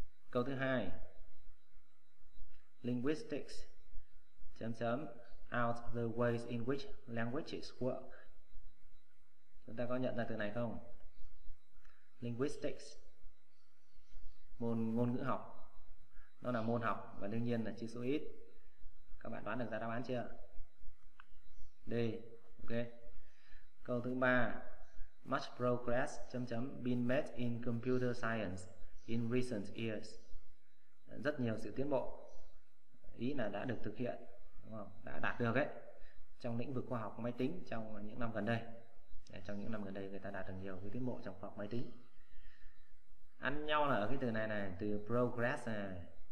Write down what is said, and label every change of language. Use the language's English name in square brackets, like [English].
[Vietnamese] Câu thứ hai, [English] linguistics [Vietnamese] chấm chấm [English] out the ways in which languages work. [Vietnamese] Chúng ta có nhận ra từ này không? Linguistics, môn ngôn ngữ học. Nó là môn học và đương nhiên là chữ số ít. Các bạn đoán được ra đáp án chưa? D. Ok. Câu thứ 3. [English] Much progress been made in computer science in recent years. [Vietnamese] Rất nhiều sự tiến bộ, ý là đã được thực hiện, đúng không? Đã đạt được ấy, trong lĩnh vực khoa học máy tính trong những năm gần đây. Trong những năm gần đây người ta đạt được nhiều cái tiến bộ trong khoa học máy tính. Ăn nhau là ở cái từ này này, từ progress này.